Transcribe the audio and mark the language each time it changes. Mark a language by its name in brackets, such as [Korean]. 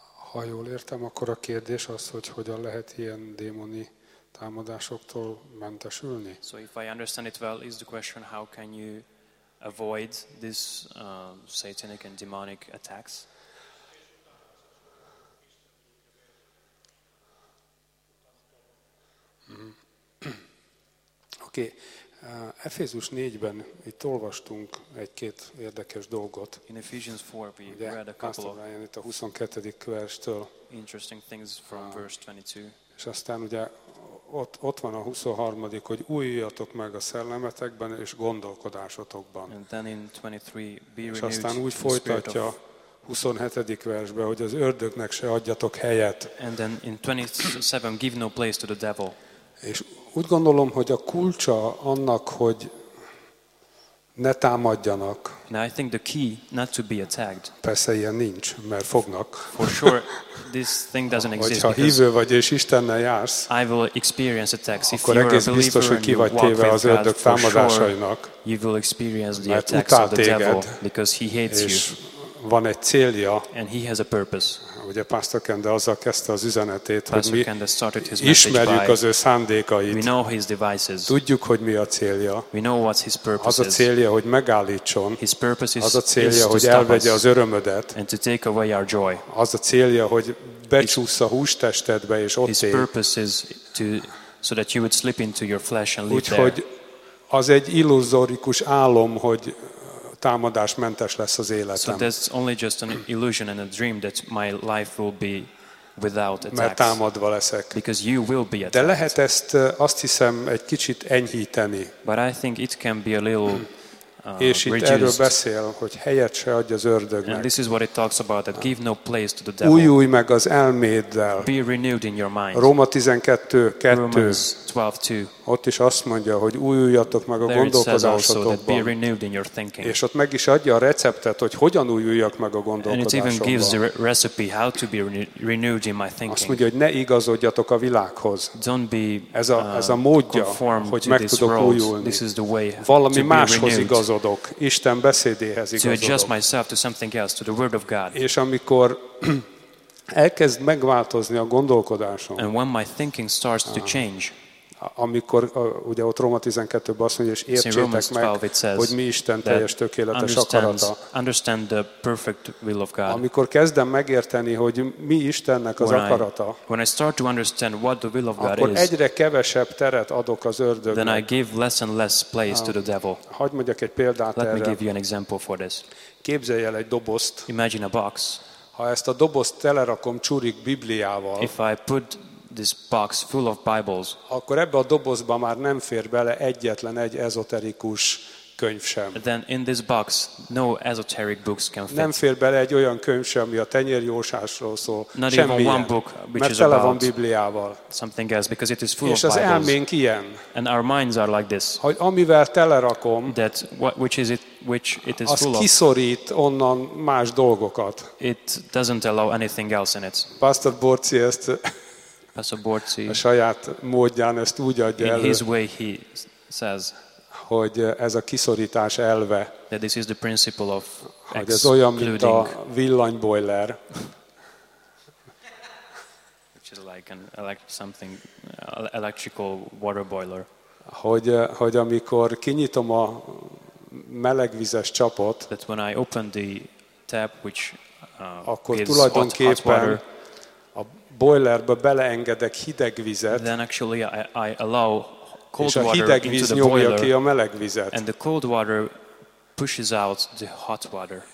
[Hungarian] Ha jól értem, akkor a kérdés az, hogy hogyan lehet ilyen démoni támadásoktól mentesülni? [English] So if I understand it well, is the question how can you avoid these satanic and demonic attacks? [Hungarian] Oké, Efézus 4-ben itt olvastunk egy-két érdekes dolgot. [English] In Ephesians 4 we ugye, read a couple of [Hungarian] Ryan, itt a 22. verstől. [English] Interesting things from verse 22. [Hungarian] És aztán ugye ott van a 23., hogy újjatok meg a szellemetekben és gondolkodásotokban. [English] And then in 23, be renewed. [Hungarian] És aztán úgy folytatja 27. versbe, hogy az ördögnek se adjatok helyet. [English] And then in 27, give no place to the devil. [Hungarian] És úgy gondolom, hogy a kulcsa annak, hogy ne támadjanak. [English] Now I think the key not to be attacked. [Hungarian] Persze ilyen nincs, mert fognak. [English] For sure, this thing doesn't exist. [Hungarian] Ha hívő vagy és Istennel jársz, [English] I will experience attacks. [Hungarian] Akkor egész biztos, hogy ki vagy téve az ördög támadásainak. [English] Sure, you will experience the attacks of the devil because he hates you. [Hungarian] Van egy célja. [English] And he has a purpose. [Hungarian] Ugye Pastor Kende azzal kezdte az üzenetét, Pastor hogy mi ismerjük az ő szándékait. [English] We know his devices. [Hungarian] Tudjuk, hogy mi a célja. [English] We know what his purpose [Hungarian] az a célja, hogy megállítson. [English] His purpose is, [Hungarian] az a célja, hogy elvegye az örömödet. [English] And to take away our joy. [Hungarian] Az a célja, hogy becsúsz a hústestedbe és ott his él. [English] Purpose is to, so that you would slip into your flesh and live there. [Hungarian] Úgyhogy az egy illuzórikus álom, hogy támadásmentes lesz az életem. [English] So that's only just an illusion and a dream that my life will be without attacks. [Hungarian] Mert támadva leszek. [English] Because you will be attacked. [Hungarian] De lehet ezt azt hiszem egy kicsit enyhíteni. [English] But I think it can be a little [Hungarian] és itt [English] reduced. [Hungarian] Erről beszél, hogy helyet se adj az ördögnek. [English] And this is what it talks about, that give no place to the devil. [Hungarian] Újulj meg az elméddel. [English] Be renewed in your mind. [Hungarian] Róma 12:2. [English] Romans 12:2. [Hungarian] Ott is azt mondja, hogy újuljatok meg a gondolkodásotokban. [English] There it says also that be renewed in your thinking. [Hungarian] És ott meg is adja a receptet, hogy hogyan újuljak meg a gondolkodásomban. [English] And it even gives the recipe how to be renewed in my thinking. [Hungarian] Azt mondja, hogy ne igazodjatok a világhoz. [English] Don't be [Hungarian] ez a módja, hogy meg tudok újulni. [English] This is the way [Hungarian] valami máshoz igazodok, Isten beszédéhez igazodok. [English] To adjust myself to something else, to the word of God. [Hungarian] És amikor elkezd megváltozni a gondolkodásom. [English] And when my thinking starts to change. [Hungarian] Amikor ugye ott Róma 12-ben azt mondja, és értsétek meg, hogy mi Isten teljes tökéletes akarata. [English] Understand the perfect will of God. [Hungarian] Amikor kezdem megérteni, hogy mi Istennek az akarata, [English] when I start to understand what the will of God [Hungarian] akkor [English] is, [Hungarian] egyre kevesebb teret adok az ördögnek. [English] Then I give less and less place to the devil. [Hungarian] Hagy mondjak egy példát [English] Let [Hungarian] erre. [English] Me give you an example for this. [Hungarian] Képzelj el egy dobozt. [English] Imagine a box. [Hungarian] Ha ezt a dobozt telerakom csurik Bibliával, [English] if I put this box full of Bibles. [Hungarian] Akkor ebbe a dobozba már nem fér bele egyetlen egy ezoterikus könyv sem. [English] Then in this box no esoteric books can fit. [Hungarian] Nem fér bele egy olyan könyv sem, ami a tenyérgyorsásról szól. [English] Not even one book which [Hungarian] is tele van Bibliával. [English] Something else because it is full of Bibles. [Hungarian] És az elménk ilyen. [English] And our minds are like this. [Hungarian] Hogy amivel telerakom, [English] that which is it which it is full of. [Hungarian] Az kiszorít onnan más dolgokat. [English] It doesn't allow anything else in it. [Hungarian] Pastor Borci ezt Borci, a saját módján ezt úgy adja [English] in [Hungarian] elő. [English] In his way he says, [Hungarian] hogy ez a kiszorítás elve, [English] that this is the principle of [Hungarian] hogy ez olyan, mint a villanyboiler. [English] Which is like an something electrical water boiler. [Hungarian] Hogy amikor kinyitom a melegvizes csapot, [English] that when I open the tap which [Hungarian] akkor tulajdonképpen a boilerbe beleengedek hideg vizet, [English] then actually I allow cold [Hungarian] és a hideg víz nyomja ki a meleg vizet. [English] And the cold water pushes out the hot water.